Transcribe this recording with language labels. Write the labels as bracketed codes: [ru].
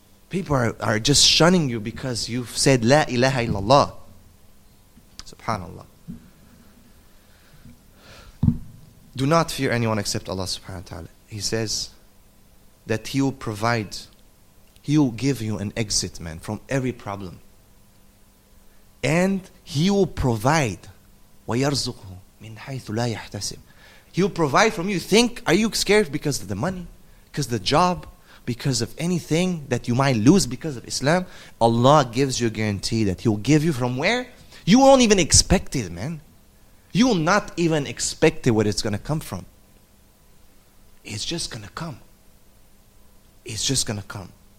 [en] People are just shunning you because you've said, La ilaha illallah. Subhanallah. Do not fear anyone except Allah subhanahu wa ta'ala. He says that He will provide, He will give you an exit, man, from every problem. And He will provide, [ar] وَيَرْزُقُهُ مِنْ حَيْثُ لَا يَحْتَسِبُ. [en] He will provide from you. Think, are you scared because of the money? Because of the job? Because of anything that you might lose because of Islam? Allah gives you a guarantee that He will give you from where? You won't even expect it, man. You will not even expect it, where it's going to come from. It's just going to come. It's just going to come.